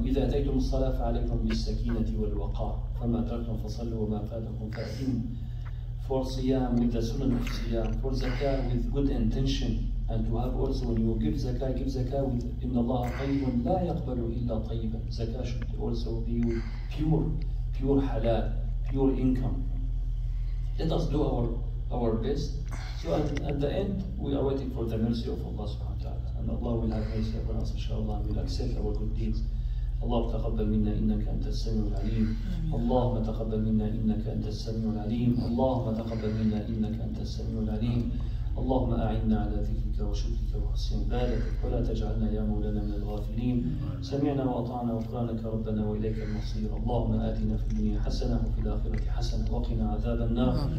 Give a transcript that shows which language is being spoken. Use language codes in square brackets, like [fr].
[ar] إذا أتيتم الصلاة فعليكم بالسكينة والوقار فما تركتم فصلوا وما فاتكم فأتموا. [en] For siyam, with the sunan of siyam, for zakah, with good intention. And to have also, when you give zakah with [ar] إِنَّ اللَّهَ طَيِّبٌ لَا يَقْبَلُ إِلَّا طَيِّبًا. [en] Zakah should also be with pure halal, pure income. Let us do our best. So at the end, we are waiting for the mercy of Allah subhanahu wa ta'ala. And Allah will have mercy upon us, inshaAllah, and will accept our good deeds. [ar] اللهم تقبل منا إنك أنت السميع العليم اللهم تقبل منا إنك أنت السميع العليم اللهم تقبل منا إنك أنت السميع العليم اللهم أعنا على ذكرك وشكرك وحسن عبادتك ولا تجعلنا يا مولانا من الغافلين سمعنا وأطعنا وغفرانك ربنا وإليك المصير اللهم آتنا في الدنيا حسنة وفي الآخرة حسنة وقنا عذاب النار